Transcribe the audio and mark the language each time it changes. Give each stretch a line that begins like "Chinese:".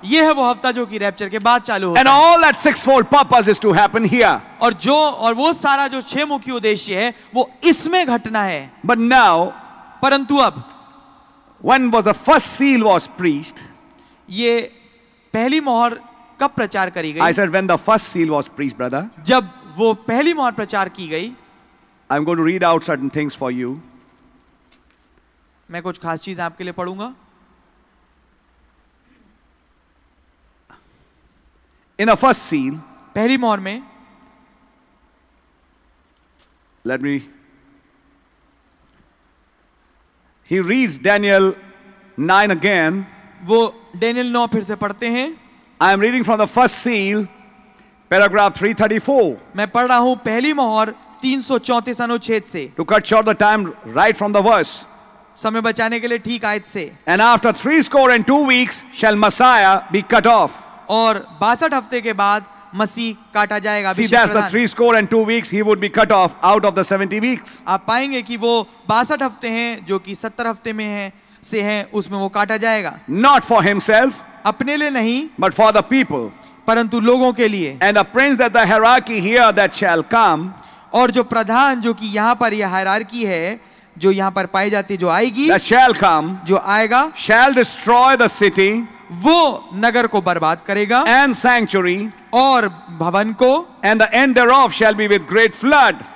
Hindi: ये है वो हफ्ता जो कि रैप्चर के बाद चालू होता है.
English: And all that sixfold purpose is to happen here.
Hindi: और वो सारा जो 6 मुख्य उद्देश्य है, वो इसमें घटना है.
English: But now,
Hindi: परंतु अब,
English: when was the first seal was preached?
Hindi: ये पहली मोहर कब प्रचार करी गई?
English: I said when the first seal was preached, brother.
Hindi: जब वो पहली मोहर प्रचार की गई.
English: I'm going to read out certain things for you.
Hindi: मैं कुछ खास चीज़ आपके लिए पढ़ूँगा.
English: In a first seal,
Hindi: पहली मोहर में,
English: let me. He reads Daniel 9 again.
Hindi: वो डेनियल 9 फिर से पढ़ते हैं.
English: I am reading from the first seal, paragraph 334.
Hindi: मैं पढ़ रहा हूँ पहली मोहर 334 अनुच्छेद से.
English: To cut short the time, right from the verse.
Hindi: समय बचाने के लिए ठीक आयत से.
English: And after 62 weeks shall Messiah be cut off.
Hindi: और 62 हफ्ते के बाद मसीह काटा जाएगा
English: See, that's the 3 score and 2 weeks he would be cut off out of the 70 weeks
Hindi: आप पाएंगे कि वो 62 हफ्ते हैं जो कि 70 हफ्ते में है से हैं उसमें वो काटा जाएगा
English: not for himself
Hindi: अपने लिए नहीं
English: but for the people
Hindi: परंतु लोगों के लिए
English: and a prince that the hierarchy here that shall come
Hindi: और जो प्रधान जो कि यहां पर यह हायरार्की है जो यहां पर पाई जाती जो आएगी
English: that shall come
Hindi: जो आएगा
English: shall destroy the city
Hindi: वो नगर को बर्बाद करेगा
English: and sanctuary
Hindi: और भवन को
English: and the end thereof shall be with great flood